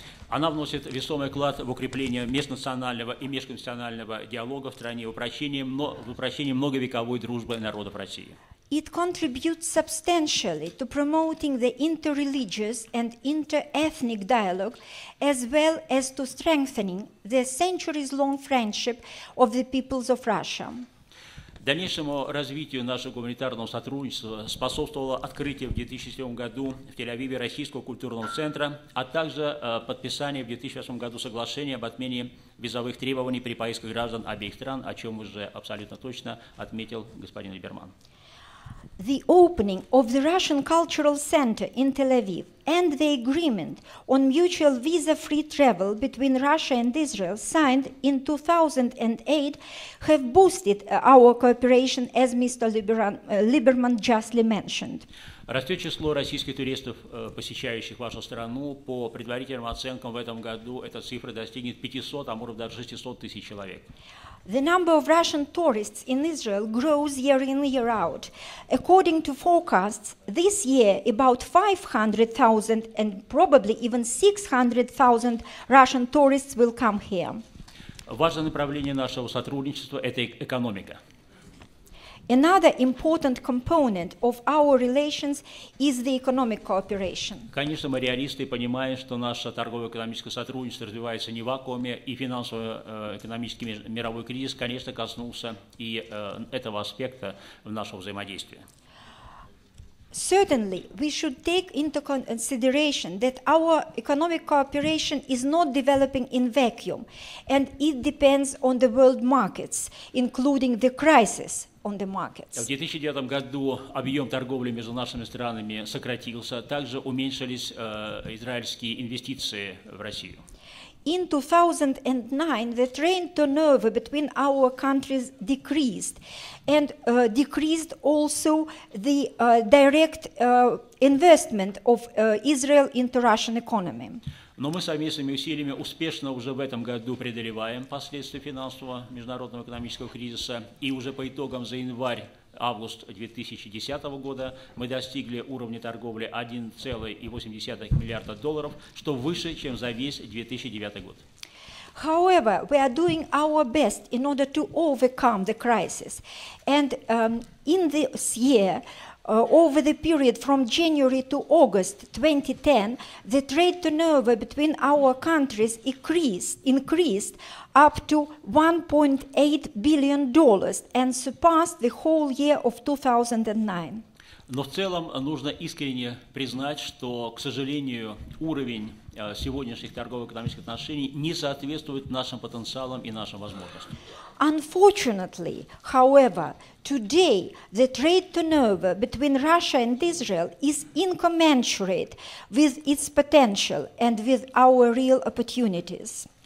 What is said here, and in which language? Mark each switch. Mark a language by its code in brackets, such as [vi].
[ru] Она вносит весомый вклад в укрепление межнационального и межконфессионального диалога в стране, в упрощение многовековой дружбы народов России. [en] It contributes substantially to promoting the interreligious and interethnic dialogue, as well as to strengthening the centuries-long friendship of the peoples of Russia. [ru] Дальнейшему развитию нашего гуманитарного сотрудничества способствовало открытие в 2007 году в Тель-Авиве Российского культурного центра, а также подписание в 2008 году соглашения об отмене визовых требований при поисках граждан обеих стран, о чем уже абсолютно точно отметил господин Либерман. [en] The opening of the Russian Cultural Center in Tel Aviv and the agreement on mutual visa-free travel between Russia and Israel signed in 2008 have boosted our cooperation, as Mr. Liberman justly mentioned. [ru] Растет число российских туристов, посещающих вашу страну. По предварительным оценкам в этом году эта цифра достигнет 500, а может даже 600 тысяч человек. [en] The number of Russian tourists in Israel grows year in, year out. According to forecasts, this year about 500,000 and probably even 600,000 Russian tourists will come here. [ru] Важное направление нашего сотрудничества – это экономика. [en] Another important component of our relations is the economic cooperation. [ru] Конечно, мы реалисты и понимаем, что наше торгово-экономическое сотрудничество развивается не в вакууме, и финансово-экономический мировой кризис, конечно, коснулся и этого аспекта в нашем взаимодействии. [en] Certainly, we should take into consideration that our economic cooperation is not developing in vacuum, and it depends on the world markets, including the crisis on the markets. [ru] В 2009 году объем торговли между нашими странами сократился, также уменьшились израильские инвестиции в Россию. [en] In 2009, the trade turnover between our countries decreased, and decreased also the direct investment of Israel into Russian economy. [ru] Но мы совместными усилиями успешно уже в этом году преодолеваем последствия финансового международного экономического кризиса, и уже по итогам за январь-август 2010 года мы достигли уровня торговли 1,8 миллиарда долларов, что выше, чем за весь 2009 год. [en] However, we are doing our best in order to overcome the crisis. And in this year, over the period from January to August 2010, the trade turnover between our countries increased up to $1.8 billion and surpassed the whole year of 2009. [ru] Но в целом нужно искренне признать, что, к сожалению, уровень сегодняшних торгово-экономических отношений не соответствует нашим потенциалам и нашим возможностям. [en] Unfortunately, however, today the trade turnover between Russia and Israel is incommensurate with its potential and with our real opportunities.